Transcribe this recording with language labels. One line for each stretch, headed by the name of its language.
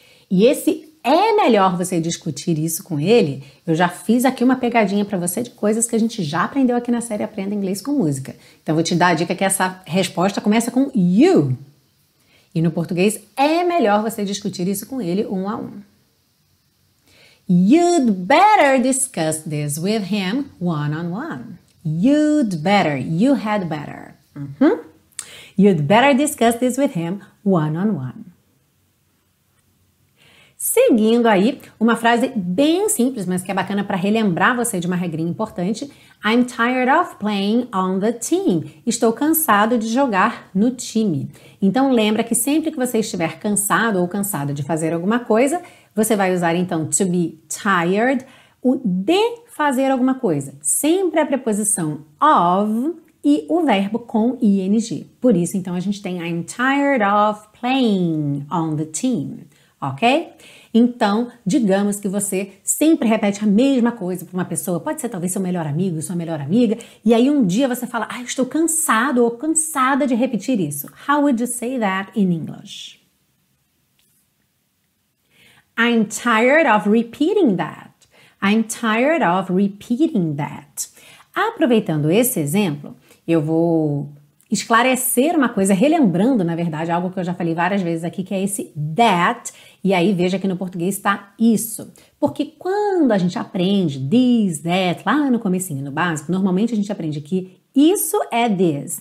Portuguese: E esse é melhor você discutir isso com ele? Eu já fiz aqui uma pegadinha para você de coisas que a gente já aprendeu aqui na série Aprenda Inglês com Música. Então vou te dar a dica que essa resposta começa com you. E no português, é melhor você discutir isso com ele um a um.
English: You'd better discuss this with him one on one. You'd better, you had better. Uh-huh. You'd better discuss this with him one-on-one.
Portuguese: Seguindo aí, uma frase bem simples, mas que é bacana para relembrar você de uma regrinha importante.
English: I'm tired of playing on the team.
Portuguese: Estou cansado de jogar no time. Então, lembra que sempre que você estiver cansado ou cansada de fazer alguma coisa, você vai usar, então, to be tired, o de fazer alguma coisa. Sempre a preposição of e o verbo com ing. Por isso, então, a gente tem
English: I'm tired of playing on the team.
Portuguese: Ok? Então, digamos que você sempre repete a mesma coisa para uma pessoa, pode ser talvez seu melhor amigo, sua melhor amiga, e aí um dia você fala, ah, eu estou cansado ou cansada de repetir isso.
English: How would you say that in English? I'm tired of repeating that. I'm tired of repeating that.
Portuguese: Aproveitando esse exemplo, eu vou esclarecer uma coisa, relembrando, na verdade, algo que eu já falei várias vezes aqui, que é esse that. E aí, veja que no português está isso. Porque quando a gente aprende this, that, lá no comecinho, no básico, normalmente a gente aprende que isso é this.